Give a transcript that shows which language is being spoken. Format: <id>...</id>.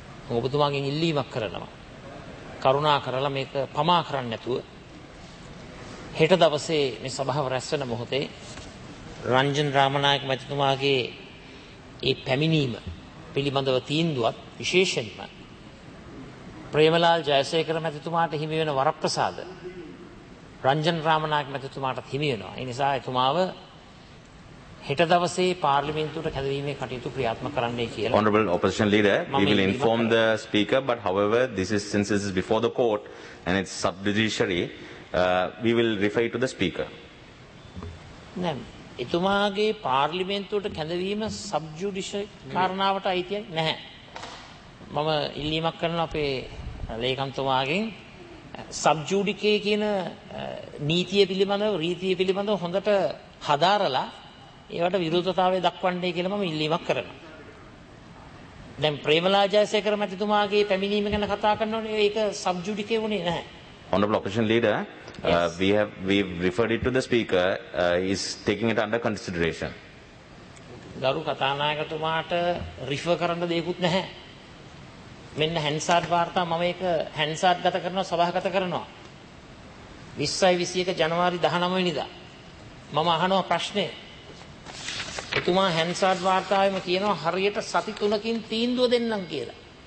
<si>මම ඔබතුමාගෙන් ඉල්ලීමක් කරනවා. කරුණා කරලා මේක පමා කරන්න නැතුව හෙට දවසේ මේ සභාව රැස් වෙන මොහොතේ රංජන් රාමනායක මැතිතුමාගේ ඒ පැමිණීම පිළිබඳව තීන්දුවත් විශේෂයෙන්ම ප්‍රේමලාල් ජයසේකර මැතිතුමාට හිමි වෙන වරප්‍රසාද රංජන් රාමනායක මැතිතුමාටත් හිමි වෙනවා. ඒ නිසා එතුමාව හෙට දවසේ පාර්ලිමේන්තුවට කැඳවීමේ කටයුතු ක්‍රියාත්මක කරන්නයි කියලා.</si> <en>Honorable opposition leader, we will inform the speaker, but however this is since this is before the court and it's sub judiciary, we will refer to the speaker.</en> <si>නෑ, එතුමාගේ පාර්ලිමේන්තුවට කැඳවීම sub judice කාරණාවට අයිතියක් නැහැ. මම ඉල්ලීමක් කරන අපේ ලේකම්තුමාගෙන් sub judice කියන නීතිය පිළිබඳව රීතිය පිළිබඳව හොඳට හදාරලා ඒවට විරුද්ධතාවය දක්වන්නේ කියලා මම ඉල්ලීමක් කරනවා. දැන් ප්‍රේමලාල් ජයසේකර මැතිතුමාගේ පැමිණීම ගැන කතා කරනෝනේ ඒක සබ් ජුඩිකේ වුණේ නැහැ.</si> <en>Honorable opposition leader, we've referred it to the speaker. He's taking it under consideration.</en> <si>ගරු කථානායකතුමාට රිෆර් කරන්න දෙයක්වත් නැහැ. මෙන්න හැන්සාඩ් වාර්තා මම ඒක හැන්සාඩ් ගත කරනවා, සභාගත කරනවා. 2021 ජනවාරි 19 වෙනිදා මම අහනවා ප්‍රශ්නේ. එතුමා හැන්සාඩ් වාර්තාවෙම කියනවා හරියට සති 3කින් තීන්දුව දෙන්නම් කියලා.</si>